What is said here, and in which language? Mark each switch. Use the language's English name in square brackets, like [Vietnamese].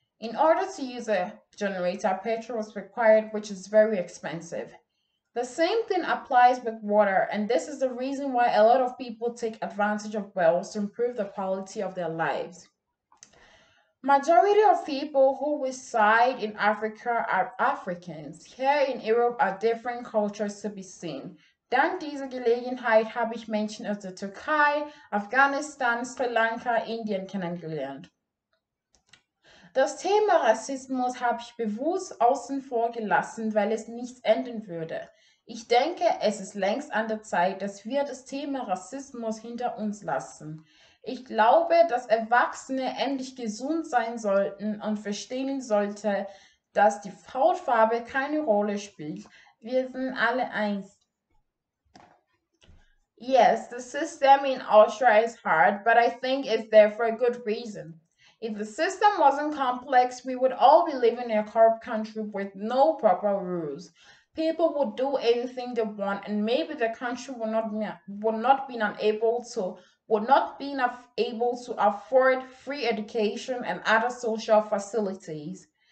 [English] In order to use a generator, petrol was required, which is very expensive. The same thing applies with water, and this is the reason why a lot of people take advantage of wells to improve the quality of their lives. Majority of people who reside in Africa are Africans. Here in Europe are different cultures to be seen. [German] Dank dieser Gelegenheit habe ich Menschen aus der Türkei, Afghanistan, Sri Lanka, Indien kennengelernt. Das Thema Rassismus habe ich bewusst außen vor gelassen, weil es nichts ändern würde. Ich denke, es ist längst an der Zeit, dass wir das Thema Rassismus hinter uns lassen. Ich glaube, dass Erwachsene endlich gesund sein sollten und verstehen sollten, dass die Hautfarbe keine Rolle spielt. Wir sind alle eins. [English] Yes, the system in Austria is hard, but I think it's there for a good reason. If the system wasn't complex, we would all be living in a corrupt country with no proper rules. People would do anything they want, and maybe the country would not be able to afford free education and other social facilities.